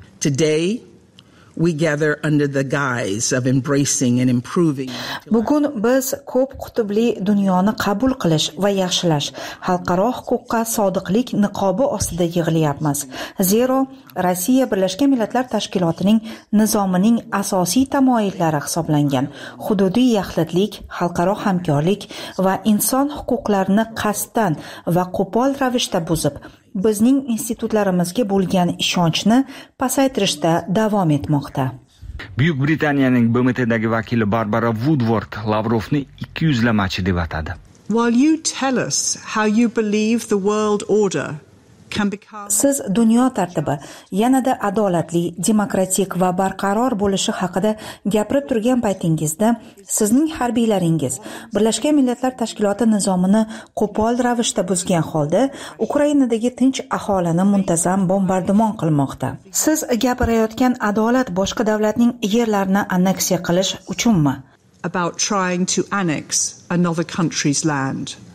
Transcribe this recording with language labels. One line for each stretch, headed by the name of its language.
English: Today we gather under the guise of embracing and improving.
Uzbek: Bugun biz ko'p qutubli dunyoni qabul qilish va yaxshilash, xalqaro huquqqa sodiqlik niqobi ostida yig'ilyapmiz. Zero Rossiya Birlashgan Millatlar Tashkilotining nizomining asosiy tamoyillari hisoblangan hududiy yaxlitlik, xalqaro hamkorlik va inson huquqlarini qasddan va qo'pol ravishda buzib bizning institutlarimizga bo'lgan ishonchni pasaytirishda davom etmoqda. Buyuk Britaniyaning BMTdagi vakili Barbara Woodward Lavrovni 200lamachi deb atadi.
English: While you tell us how you believe the world order can become
Uzbek: siz dunyo tartibi yanada adolatli, demokratik va barqaror bo'lishi haqida gapirib turgan paytingizda sizning harbiylaringiz Birlashgan Millatlar Tashkiloti nizomini qo'pol ravishda buzgan holda Ukrainadagi tinch aholini muntazam bombardimon qilmoqda. Siz gapirayotgan adolat boshqa davlatning yerlarini anneksiya qilish uchunmi?
English: About trying to annex another country's land.